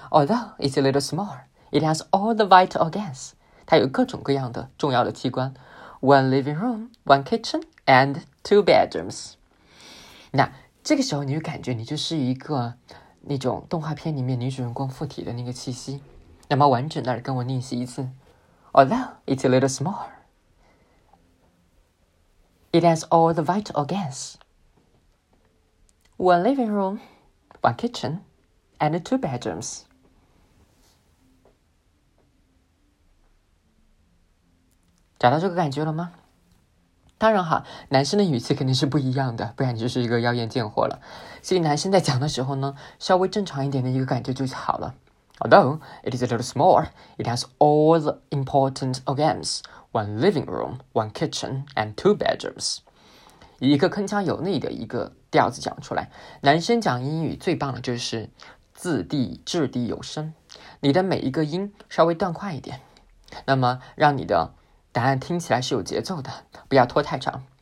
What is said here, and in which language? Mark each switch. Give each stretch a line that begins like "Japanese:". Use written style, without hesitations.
English: Although it's a little small， it has all the vital organs，
Chinese: 它有各种各样的重要的器官。
English: One living room， one kitchen， and two bedrooms。
Chinese: 那这个时候你就感觉你就是一个那种动画片里面女主人公附体的那个气息，那么完整的跟我练习一次。
English: Although it's a little small, it has all the vital organs, one living room, one kitchen, and two bedrooms. Got this
Chinese: 感觉了吗？当然哈，男生的语气肯定是不一样的，不然你就是一个妖艳贱货了。所以男生在讲的时候呢，稍微正常一点的一个感觉就好了。
English: Although it is a little small, it has all the important organs, one living room, one kitchen, and two bedrooms.
Chinese: 一个铿锵有力的一个调子讲出来。男生讲英语最棒的就是字地掷地有声，你的每一个音稍微断快一点，那么让你的答案听起来是有节奏的，不要拖太长。